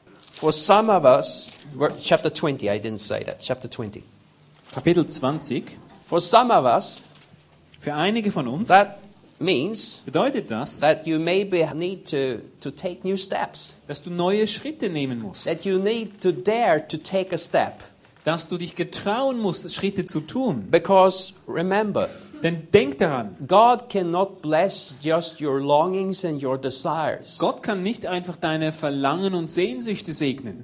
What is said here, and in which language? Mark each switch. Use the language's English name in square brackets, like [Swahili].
[English] For some of us, chapter 20, I didn't say that, chapter 20. [German] Kapitel 20. [English] For some of us, [German] für einige von uns, [English] that means, [German] bedeutet das, [English] that you maybe need to take new steps, [German] dass du neue Schritte nehmen musst, [English] that you need to dare to take a step, [German] dass du dich getrauen musst, Schritte zu tun, [English] because remember, [German] denn denk daran, [English] God cannot bless just your longings and your desires. [German] Gott kann nicht einfach deine Verlangen und Sehnsüchte segnen.